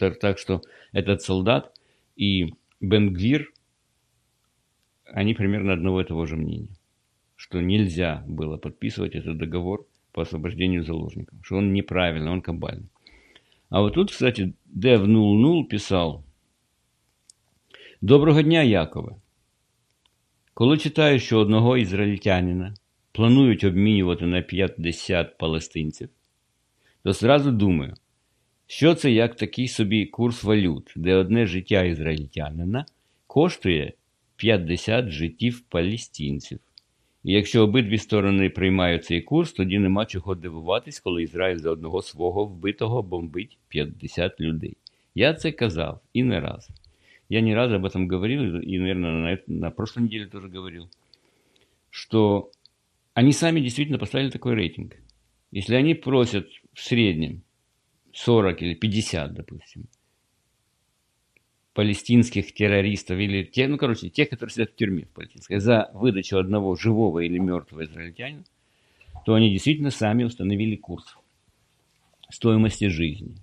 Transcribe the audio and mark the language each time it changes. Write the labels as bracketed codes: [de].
[ru] Так что этот солдат и Бен-Гвир, они примерно одного и того же мнения, что нельзя было подписывать этот договор по освобождению заложников, что он неправильный, он кабальный. А вот тут, кстати, Dev00 писал: [uk] «Доброго дня, Якове. Коли читаю, що одного ізраїльтянина планують обмінювати на 50 палестинців, то зразу думаю, що це як такий собі курс валют, де одне життя ізраїльтянина коштує 50 життів палестинців. І якщо обидві сторони приймають цей курс, тоді нема чого дивуватись, коли Ізраїль за одного свого вбитого бомбить 50 людей. Я це казав і не раз. [ru] Я не раз об этом говорил, и, наверное, на прошлой неделе тоже говорил, что они сами действительно поставили такой рейтинг. Если они просят в среднем 40 или 50, допустим, палестинских террористов, или тех, ну, короче, тех, которые сидят в тюрьме в палестинской, за выдачу одного живого или мертвого израильтянина, то они действительно сами установили курс стоимости жизни.